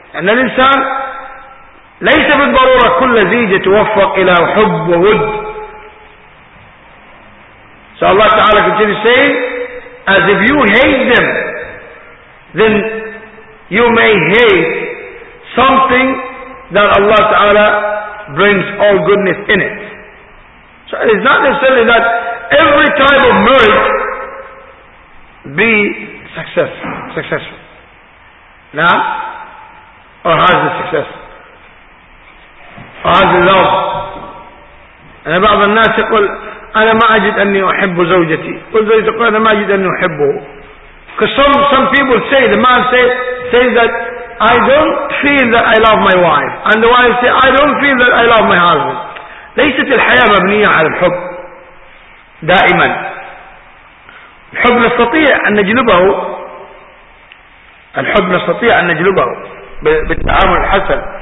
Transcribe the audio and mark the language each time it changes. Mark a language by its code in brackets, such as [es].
[ar] أن الإنسان ليس بالضرورة كل زيجة توفق إلى حب وود. [en] So Allah Ta'ala continues saying as if you hate them, then you may hate something that Allah Ta'ala brings all goodness in it. So it is not necessarily that every type of marriage be successful. Now, or has the success, or has the love. And [ar] بعض الناس يقول أنا ما أجد أني أحب زوجتي. قلت زوجتي قلت أنا ما أجد أني أحبه. [en] Because some people say, the man says that I don't feel that I love my wife. And the wife says I don't feel that I love my husband. [ar] ليست الحياة مبنية على الحب دائما. الحب نستطيع أن نجلبه. الحب نستطيع أن نجلبه بالتعامل الحسن.